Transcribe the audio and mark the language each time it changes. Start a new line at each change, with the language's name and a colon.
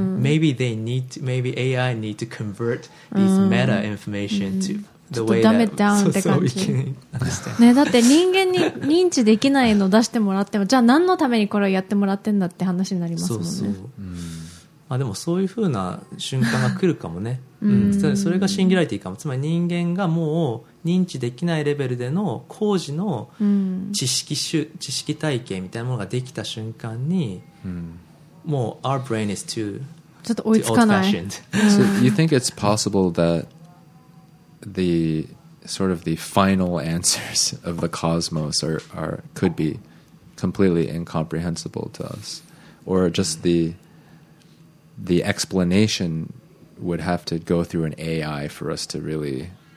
English: Maybe they need to, maybe AI need to convert these meta information to
Japanese: ちょっとダメダウンって感じ、ね、だって人間に認知できないの出してもらってもじゃあ何のためにこれをやってもらってんだって話になりますもんね。そうそう、まあ、でもそういう風な瞬間が来るかもね。それがシンギュラリティかも。つまり人間がもう認知できないレベルでの工事の知識体系みたいなものができた瞬間に、もう
English: our brain is too
Japanese: ちょっと追いつかない、
English: So you think it's possible thatthe sort of the final answers of the cosmos are could be completely incomprehensible to us, or just the explanation would have to go through an AI for us to really